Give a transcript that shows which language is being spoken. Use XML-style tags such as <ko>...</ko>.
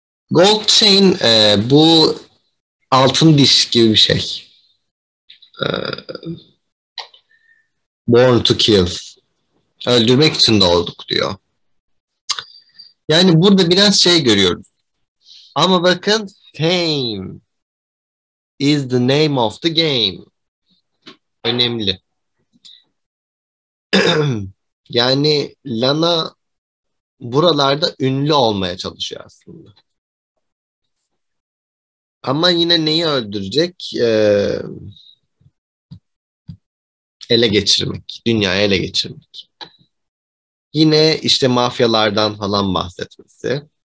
<en>Gold chain</en> <tr>bu altın diş gibi bir şey.</tr> <en>Born to kill.</en> <tr>Öldürmek için doğduk diyor. Yani burada biraz şey görüyoruz. Ama bakın,</tr> <en>fame is the name of the game.</en> <tr>Önemli. Yani Lana buralarda ünlü olmaya çalışıyor aslında. Ama yine neyi öldürecek? Ele geçirmek. Dünyayı ele geçirmek. Yine işte mafyalardan falan bahsetmesi.</tr>